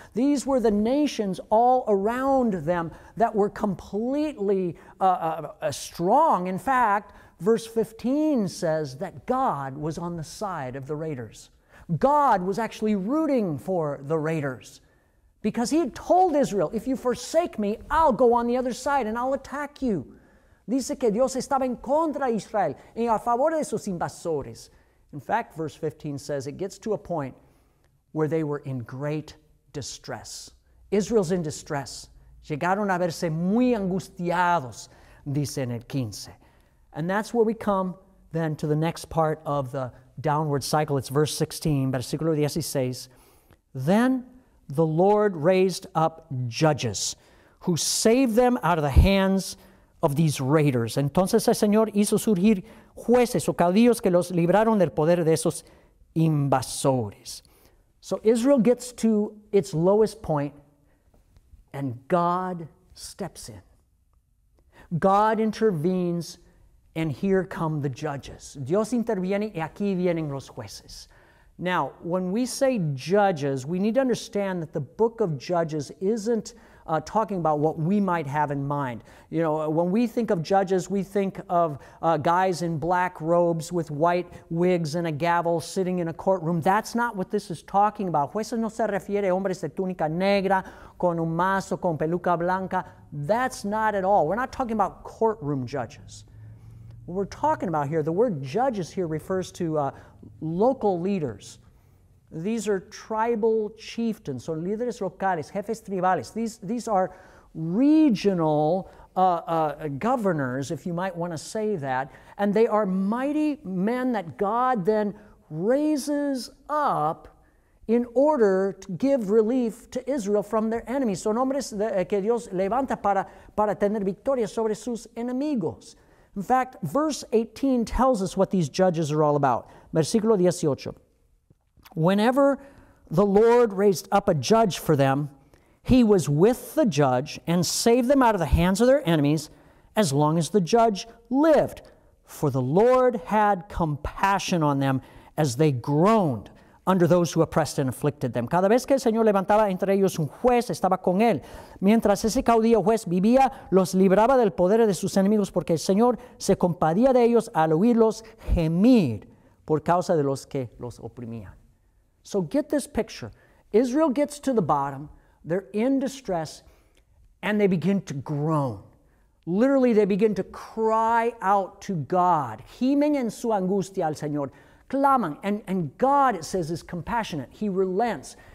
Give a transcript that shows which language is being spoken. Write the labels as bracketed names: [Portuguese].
[English] These were the nations all around them that were completely strong. In fact, verse 15 says that God was on the side of the raiders. God was actually rooting for the raiders because he had told Israel, if you forsake me, I'll go on the other side and I'll attack you. [Spanish] Dice que Dios estaba en contra de Israel y a favor de sus invasores. [English] In fact, verse 15 says, it gets to a point where they were in great distress. Israel's in distress. [Spanish] Llegaron a verse muy angustiados, dice en el 15. [English] And that's where we come then to the next part of the downward cycle. It's verse 16, [Spanish] versículo 16. [English] Then the Lord raised up judges who saved them out of the hands of these raiders. [Spanish] Entonces el Señor hizo surgir jueces o caudillos que los libraron del poder de esos invasores. [English] So Israel gets to its lowest point and God steps in. God intervenes and here come the judges. [Spanish] Dios interviene y aquí vienen los jueces. [English] Now, when we say judges, we need to understand that the book of Judges isn't talking about what we might have in mind. You know, when we think of judges, we think of guys in black robes with white wigs and a gavel sitting in a courtroom. That's not what this is talking about. [Spanish] Jueces no se refiere a hombres de túnica negra, con un mazo, con peluca blanca. [English] That's not at all. We're not talking about courtroom judges. What we're talking about here, the word judges here refers to local leaders. These are tribal chieftains, [Spanish] son líderes locales, jefes tribales. [English] These are regional governors, if you might want to say that. And they are mighty men that God then raises up in order to give relief to Israel from their enemies. [Spanish] Son hombres que Dios levanta para tener victoria sobre sus enemigos. [English] In fact, verse 18 tells us what these judges are all about. [Spanish] Versículo 18. [English] Whenever the Lord raised up a judge for them, he was with the judge and saved them out of the hands of their enemies as long as the judge lived. For the Lord had compassion on them as they groaned under those who oppressed and afflicted them. [Spanish] Cada vez que el Señor levantaba entre ellos un juez, estaba con él. Mientras ese caudillo juez vivía, los libraba del poder de sus enemigos porque el Señor se compadía de ellos al oírlos gemir por causa de los que los oprimían. [English] So get this picture. Israel gets to the bottom, they're in distress, and they begin to groan. Literally, they begin to cry out to God. [Spanish] Gimen en su angustia al Señor. Claman. [English] And God, it says, is compassionate. He relents.